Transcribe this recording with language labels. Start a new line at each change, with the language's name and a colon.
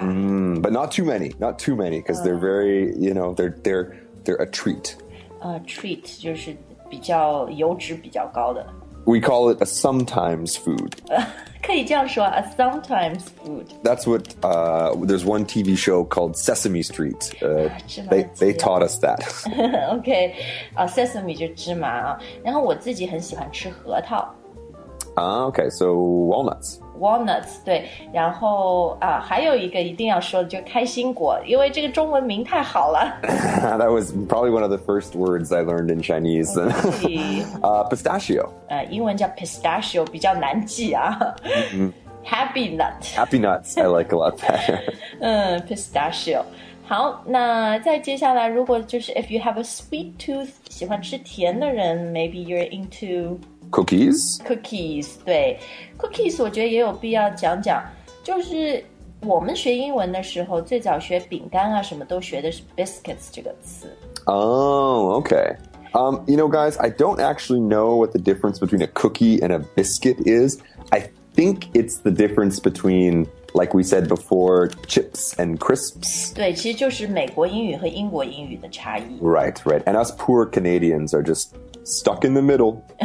English: But not too many Because they're very, you know, they're a treat
Chinese: Treat 就是比较油脂比较高的
English: We call it a sometimes food.
Chinese: 可以这样说
English: a sometimes food. That's what, there's one TV show called Sesame Street. They taught us that.
Chinese: Okay, Sesame 就芝麻啊。然后我自己很喜欢吃核桃。
English: Okay, so walnuts.
Chinese: Walnuts, 对。然后还有一个一定要说的就是开心果，因为这个中文名太好了。
English: That was probably one of the first words I learned in Chinese. pistachio.
Chinese: 英文叫 pistachio, 比较难记啊。Mm-hmm.
English: Happy nut. Happy nuts, I like a lot better. pistachio.
Chinese: 好，那再接下来，如果就是
English: if you have a sweet tooth,
Chinese: 喜欢吃甜的人
English: maybe you're into cookies.
Chinese: Cookies, 对 cookies, 我觉得也有必要讲讲，就是我们学英文的时候，最早学饼干啊什么都学的是 biscuits 这个词。
English: Oh, okay. You know, guys, I don't actually know what the difference between a cookie and a biscuit is. I think it's the difference between. Like we said before, chips and crisps.
Chinese: 对，其实就是美国英语和英国英语的差异。
English: Right, right. And us poor Canadians are just stuck in the middle.